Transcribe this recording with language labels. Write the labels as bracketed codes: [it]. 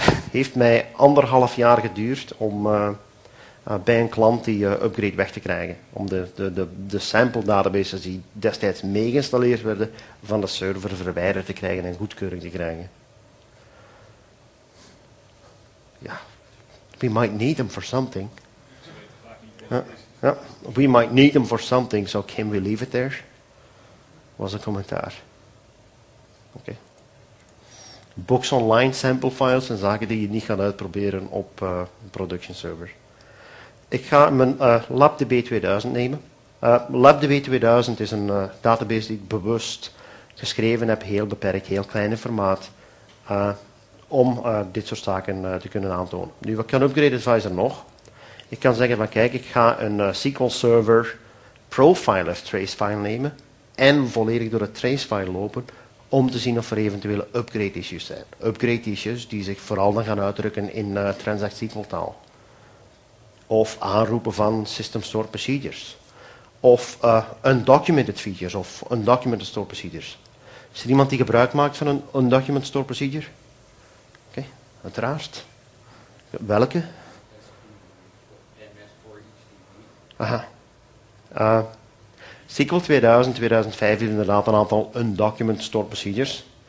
[nl] Heeft mij anderhalf jaar geduurd om bij een klant die upgrade weg te krijgen. Om de sample databases die destijds meegeïnstalleerd werden van de server verwijderd te krijgen en goedkeuring te krijgen. Ja, [en] we might need them for something. We might need them for something, so can we leave it there? [nl] Was een commentaar. Oké. Okay. Books online sample files en zaken die je niet gaat uitproberen op production server. Ik ga mijn LabDB 2000 nemen. LabDB 2000 is een database die ik bewust geschreven heb, heel beperkt, heel klein in formaat. Om dit soort zaken te kunnen aantonen. Nu, wat kan Upgrade Advisor nog? Ik kan zeggen van kijk, ik ga een SQL Server Profiler tracefile nemen en volledig door het tracefile lopen om te zien of er eventuele upgrade issues zijn. Upgrade issues die zich vooral dan gaan uitdrukken in Transact SQL taal. Of aanroepen van System Store Procedures. Of undocumented features of undocumented store procedures. Is er iemand die gebruik maakt van een undocumented store procedure? Uiteraard. Welke? Aha. SQL 2000, 2005 heeft inderdaad een aantal undocumented stored procedures.